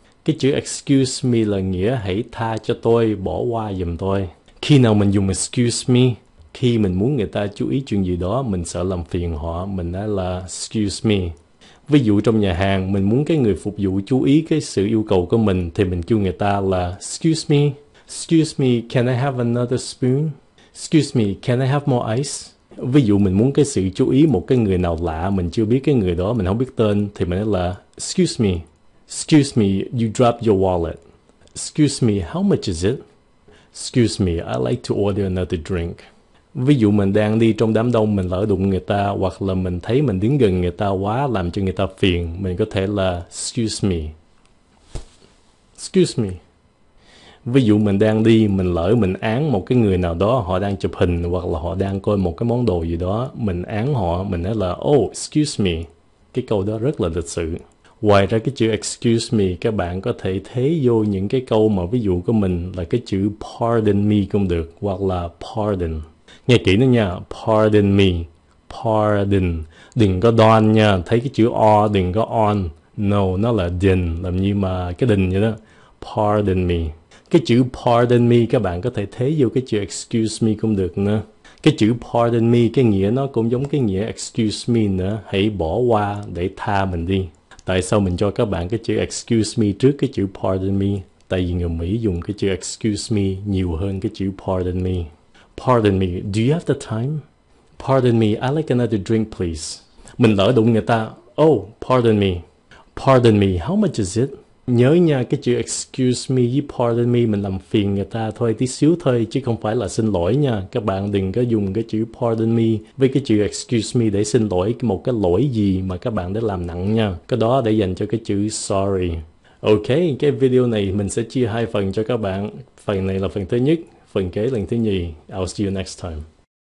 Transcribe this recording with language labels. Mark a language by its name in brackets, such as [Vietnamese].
[Vietnamese] Cái chữ excuse me là nghĩa hãy tha cho tôi, bỏ qua giùm tôi. Khi nào mình dùng excuse me? Khi mình muốn người ta chú ý chuyện gì đó, mình sợ làm phiền họ, mình nói là excuse me. Ví dụ trong nhà hàng, mình muốn cái người phục vụ chú ý cái sự yêu cầu của mình, thì mình kêu người ta là excuse me. [English] Excuse me, can I have another spoon? Excuse me, can I have more ice? [Vietnamese] Ví dụ mình muốn cái sự chú ý một cái người nào lạ, mình chưa biết cái người đó, mình không biết tên, thì mình nói là excuse me. [English] Excuse me, you dropped your wallet. Excuse me, how much is it? Excuse me, I'd like to order another drink. [Vietnamese] Ví dụ mình đang đi trong đám đông, mình lỡ đụng người ta, hoặc là mình thấy mình đứng gần người ta quá làm cho người ta phiền, mình có thể là excuse me. Excuse me. Ví dụ mình đang đi, mình lỡ mình án một cái người nào đó, họ đang chụp hình hoặc là họ đang coi một cái món đồ gì đó, mình án họ, mình nói là oh, excuse me. Cái câu đó rất là lịch sự. Ngoài ra cái chữ excuse me, các bạn có thể thế vô những cái câu mà ví dụ của mình là cái chữ pardon me cũng được, hoặc là pardon. Nghe kỹ nữa nha, pardon me, pardon. Đừng có don nha, thấy cái chữ o, đừng có on. No, nó là din, làm như mà cái đình vậy đó. Pardon me. Cái chữ pardon me các bạn có thể thế vô cái chữ excuse me cũng được nữa. Cái chữ pardon me cái nghĩa nó cũng giống cái nghĩa excuse me nữa. Hãy bỏ qua để tha mình đi. Tại sao mình cho các bạn cái chữ excuse me trước cái chữ pardon me? Tại vì người Mỹ dùng cái chữ excuse me nhiều hơn cái chữ pardon me. [English] Pardon me, do you have the time? Pardon me, I'd like another drink please. [Vietnamese] Mình lỡ đụng người ta. [English] Oh, pardon me. Pardon me, how much is it? [Vietnamese] Nhớ nha, cái chữ excuse me với pardon me mình làm phiền người ta thôi, tí xíu thôi, chứ không phải là xin lỗi nha. Các bạn đừng có dùng cái chữ pardon me với cái chữ excuse me để xin lỗi một cái lỗi gì mà các bạn đã làm nặng nha. Cái đó để dành cho cái chữ sorry. Ok, cái video này mình sẽ chia hai phần cho các bạn. Phần này là phần thứ nhất, phần kế lần thứ nhì. [English] I'll see you next time.